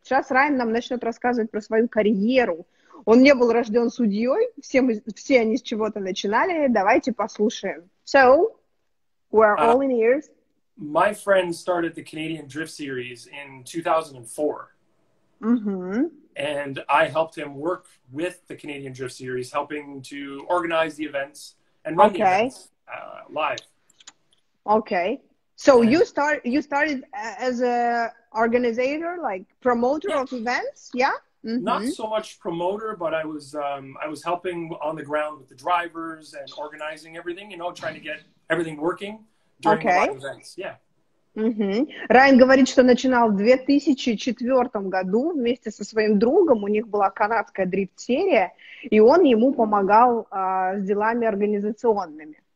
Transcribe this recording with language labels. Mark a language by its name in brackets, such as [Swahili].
[Russian] Сейчас Райан нам начнет рассказывать про свою карьеру. Он не был рожден судьей, все они с чего-то начинали, давайте послушаем. [English] So, we're all in ears. My friend started the Canadian Drift Series in 2004. Mm-hmm. And I helped him work with the Canadian Drift Series, helping to organize the events and run the events live. Okay. So, and you started as an organizer, like promoter of events, yeah? Mm-hmm. Not so much promoter, but I was helping on the ground with the drivers and organizing everything, you know, trying to get everything working during the live events. Yeah. Mm-hmm. [Russian] Райан говорит, что начинал в 2004 году вместе со своим другом. У них была канадская дрифт-серия, и он ему помогал с делами организационными.